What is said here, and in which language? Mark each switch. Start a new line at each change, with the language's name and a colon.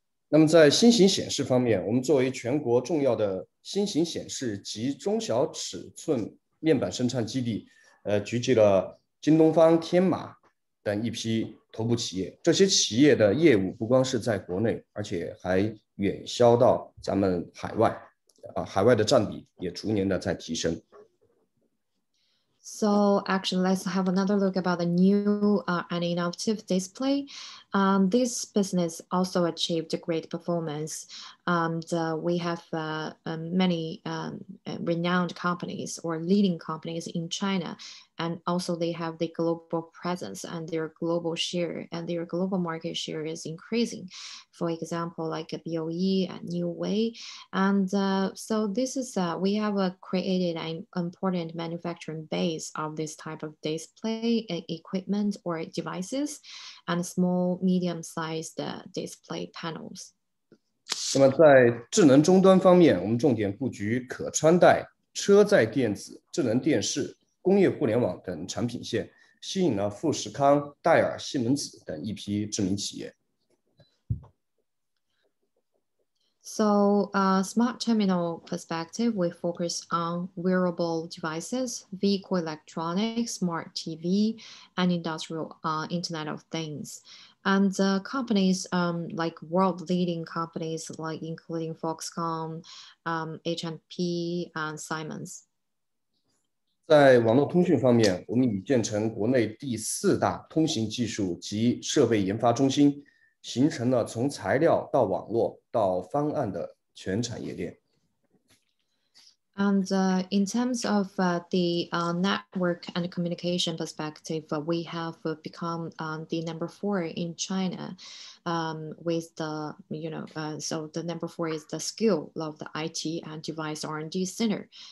Chinese: 那么在新型显示方面，我们作为全国重要的新型显示及中小尺寸面板生产基地，聚集了京东方、天马等一批头部企业，这些企业的业务不光是在国内，而且还远销到咱们海外，海外的占比也逐年的在提升。
English: So actually, let's have another look about the new and innovative display. This business also achieved a great performance. We have many renowned companies or leading companies in China, and also they have the global presence and their global share, and their global market share is increasing. For example, like BOE and New Way. And so this is, we have created an important manufacturing base of this type of display equipment or devices and small, medium-sized display panels.
Chinese: 那么在智能终端方面，我们重点布局可穿戴、车载电子、智能电视、工业互联网等产品线，吸引了富士康、戴尔、西门子等一批知名企业。
English: So smart terminal perspective, we focus on wearable devices, vehicle electronics, smart TV, and industrial Internet of Things. And companies like world leading companies, like including Foxconn, H&P, and Siemens.
Chinese: 在网络通讯方面，我们已建成国内第四大通信技术及设备研发中心，形成了从材料到网络到方案的全产业链。
English: And in terms of the network and communication perspective, we have become the number four in China with the, you know, so the number four is the skill of the IT and device R&D center.